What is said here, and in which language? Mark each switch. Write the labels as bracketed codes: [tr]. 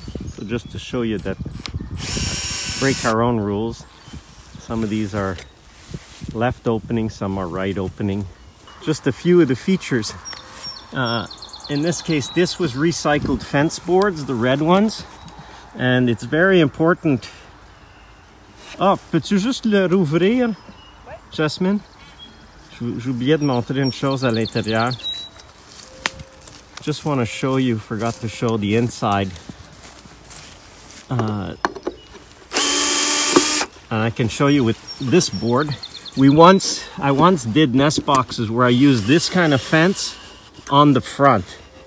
[en] So just to show you that, break our own rules, some of these are left opening, some are right opening. Just a few of the features. In this case, this was recycled fence boards, the red ones. And it's very important. [fr] Oh, peux tu juste le rouvrir? Jasmine, j'ai oublié de montrer une chose à l'intérieur. [en] Just want to show you, forgot to show the inside. And I can show you with this board. I once did nest boxes where I used this kind of fence on the front.